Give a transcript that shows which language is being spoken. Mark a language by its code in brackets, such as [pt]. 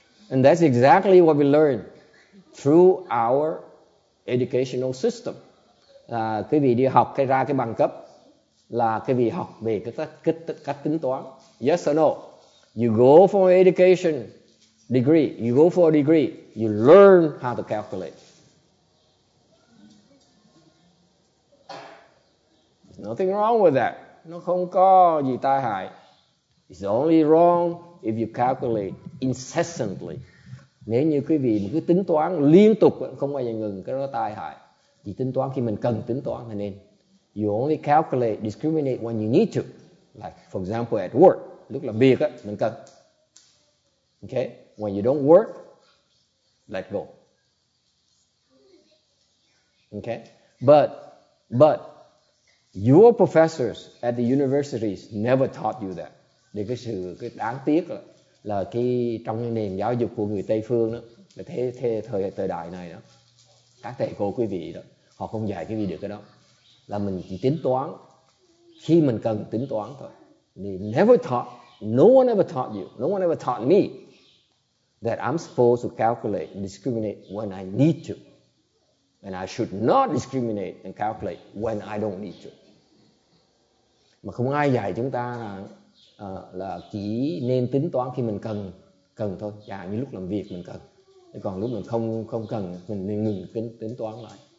[en] And that's exactly what we learn through our educational system. [vi] Quý vị đi học cái ra cái bằng cấp là quý vị học về cái cách tính toán. [en] Yes or no? You go for an education degree. You go for a degree. You learn how to calculate. Nothing wrong with that. [vi] Nó không có gì tai hại. [en] It's only wrong if you calculate incessantly. [vi] Nếu như quý vị cứ tính toán liên tục, không bao giờ ngừng, cái đó tai hại. Chỉ tính toán khi mình cần tính toán là nên. [en] You only calculate, discriminate when you need to. Like, for example, at work. [vi] Lúc làm việc, mình cần. [en] Okay? When you don't work, let go. Okay? But, your professors at the universities never taught you that. [vi] Thì cái đáng tiếc là khi trong cái nền giáo dục của người Tây phương đó, là thế thời đại này đó, các thầy cô quý vị đó, họ không dạy quý vị được cái đó. Là mình chỉ tính toán khi mình cần tính toán thôi. [en] They never taught, no one ever taught you, no one ever taught me that I'm supposed to calculate and discriminate when I need to. And I should not discriminate and calculate when I don't need to. [vi] Mà không ai dạy chúng ta là chỉ nên tính toán khi mình cần thôi. Dạ, như lúc làm việc mình cần. Thế còn lúc mình không cần, mình nên ngừng tính toán lại.